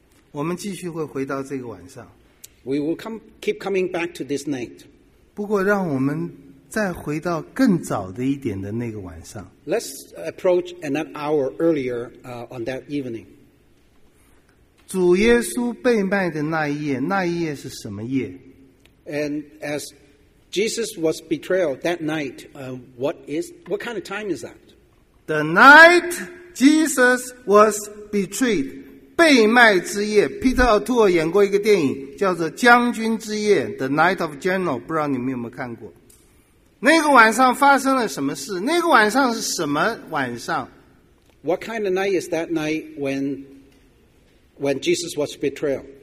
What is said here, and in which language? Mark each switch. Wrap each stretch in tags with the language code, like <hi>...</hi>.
<zh>我们继续会回到这个晚上。We</zh> <en>will keep coming back to this night.</en> <zh>不过，让我们 再回到更早的一点的那个晚上。</zh> <en>Let's approach an hour earlier on that evening.</en> <zh>主耶稣被卖的那一夜，那一夜是什么夜？</zh> <en>And as Jesus was betrayed that night, what kind of time is that? The night Jesus was betrayed,</en> <zh>被卖之夜。 Peter O'Toole 演过一个电影叫做《将军之夜》 The Night of General， 不知道你们有没有看过？那个晚上发生了什么事？那个晚上是什么晚上？</zh> <en>What kind of night is that night when Jesus was betrayed?</en>